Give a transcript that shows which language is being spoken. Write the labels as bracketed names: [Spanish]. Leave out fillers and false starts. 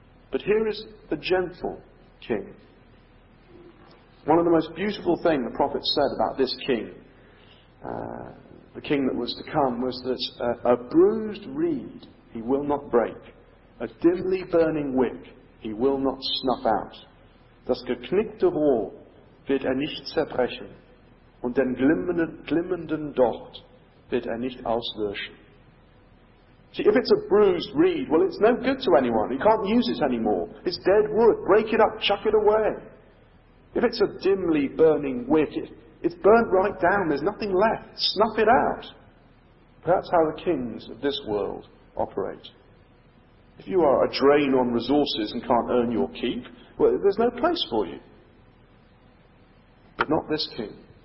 [English] But here is the gentle king. One of the most beautiful things the prophet said about this king, the king that was to come, was that a bruised reed he will not break, a dimly burning wick he will not snuff out. [German] Das geknickte Rohr wird nicht zerbrechen, und den glimmenden Docht wird nicht auslöschen. [English] See, if it's a bruised reed, well, it's no good to anyone. You can't use it anymore. It's dead wood. Break it up. Chuck it away. If it's a dimly burning wick, it's burnt right down. There's nothing left. Snuff it out. That's how the kings of this world operate. If you are a drain on resources and can't earn your keep, well, there's no place for you. But not this king.